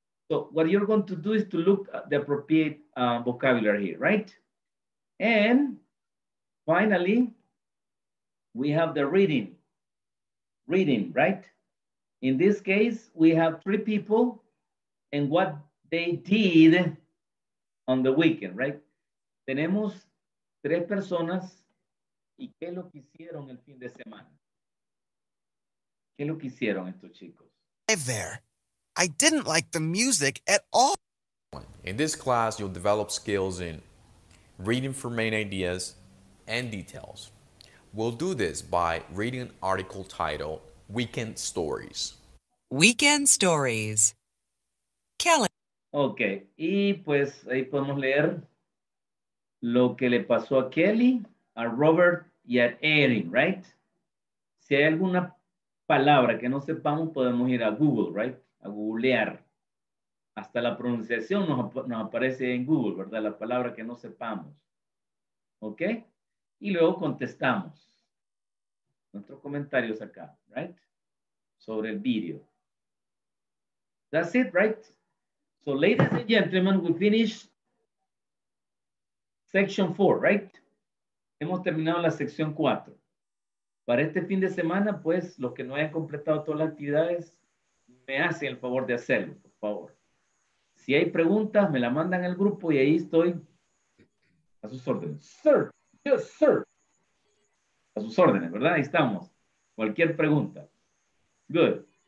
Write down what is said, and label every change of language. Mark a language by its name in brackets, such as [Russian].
[English] So what you're going to do is to look at the appropriate vocabulary here, right? And finally, we have the reading. Reading, right? In this case, we have three people and what they did on the weekend, right? [Spanish] Tenemos tres personas y qué es lo que hicieron el fin de semana. ¿Qué es lo que hicieron estos chicos? [English] There. I didn't like the music at all. In this class, you'll develop skills in reading for main ideas and details. We'll do this by reading an article titled Weekend Stories. Weekend Stories. Kelly. [Spanish] Okay, y pues ahí podemos leer lo que le pasó a Kelly, a Robert y a Erin, right? Si hay alguna palabra que no sepamos, podemos ir a Google, right? A googlear. Hasta la pronunciación nos aparece en Google, ¿verdad? La palabra que no sepamos. ¿Ok? Y luego contestamos nuestros comentarios acá, right? Sobre el video. [English] That's it, [Spanish] right? [English] So, ladies and gentlemen, we finished section 4, right? [Spanish] Hemos terminado la sección 4. Para este fin de semana, pues, los que no hayan completado todas las actividades, me hacen el favor de hacerlo, por favor. Si hay preguntas, me la mandan al grupo y ahí estoy a sus órdenes. [English] Sir, yes, sir. [Spanish] A sus órdenes, ¿verdad? Ahí estamos. Cualquier pregunta. [English] Good.